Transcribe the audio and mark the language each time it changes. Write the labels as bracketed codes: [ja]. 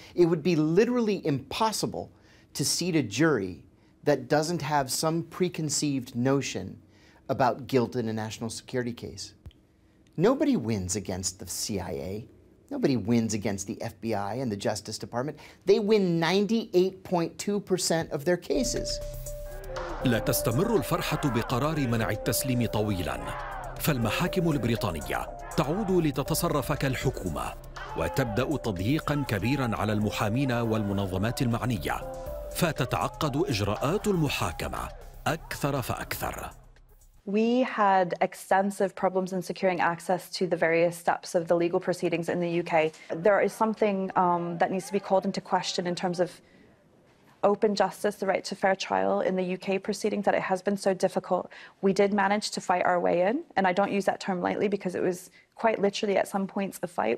[en] It would be literally impossible to seat a jury that doesn't have some preconceived notion about guilt in a national security case. Nobody wins against the CIA. Nobody wins against the FBI and the Justice Department. They win 98.2% of their cases. [ar] لا تستمر الفرحة بقرار منع التسليم طويلاً، فالمحاكم البريطانية تعود لتتصرف كالحكومة وتبدأ تضييقاً كبيراً على المحامين والمنظمات المعنية، فتتعقد إجراءات المحاكمة أكثر فأكثر. [en] We had extensive problems in securing access to the various steps of the legal proceedings in the UK. There is something that needs to be called into question in terms of open justice, the right to fair trial in the UK proceedings, that it has been so difficult. We did manage to fight our way in, and I don't use that term lightly because it was quite literally at some points a fight.